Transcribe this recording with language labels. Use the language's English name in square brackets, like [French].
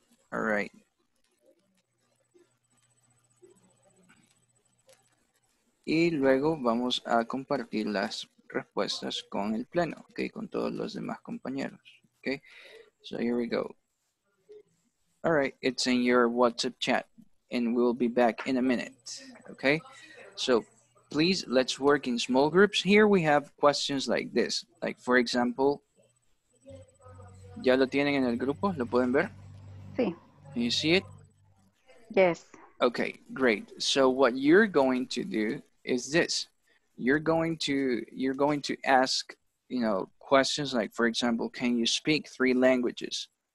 [English] All right. [Spanish] Y luego vamos a compartir las respuestas con el pleno, okay, con todos los demás compañeros, okay. [English] So here we go. All right, it's in your WhatsApp chat, and we'll be back in a minute, okay. So please, let's work in small groups. Here we have questions like this. Like, for example, [Spanish] ¿ya lo tienen en el grupo? ¿Lo pueden ver? Sí. [English] Can you see it? Yes. Okay, great. So what you're going to do is this. You're going to ask, you know, questions like, for example, can you speak three languages?